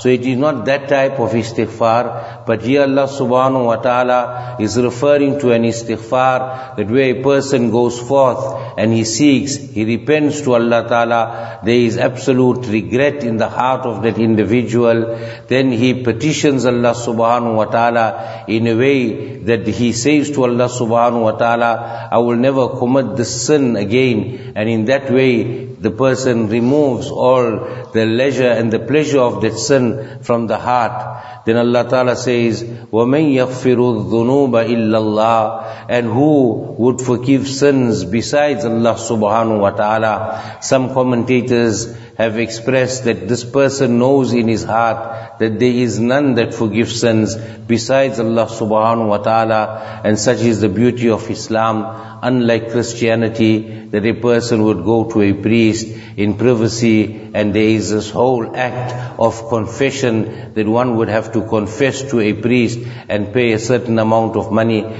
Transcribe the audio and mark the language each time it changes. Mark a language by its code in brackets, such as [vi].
[en] So it is not that type of istighfar, but here Allah subhanahu wa ta'ala is referring to an istighfar that where a person goes forth and he seeks, he repents to Allah Ta'ala, there is absolute regret in the heart of that individual, then he petitions Allah subhanahu wa ta'ala in a way that he says to Allah subhanahu wa ta'ala, I will never commit this sin again. And in that way, the person removes all the leisure and the pleasure of that sin from the heart. Then Allah Ta'ala says, [ar] وَمَنْ يَغْفِرُ الذُّنُوبَ إِلَّا اللَّهِ. [en] And who would forgive sins besides Allah subhanahu wa ta'ala? Some commentators have expressed that this person knows in his heart that there is none that forgives sins besides Allah subhanahu wa ta'ala. And such is the beauty of Islam. Unlike Christianity, that a person would go to a priest in privacy and there is this whole act of confession that one would have to confess to a priest and pay a certain amount of money.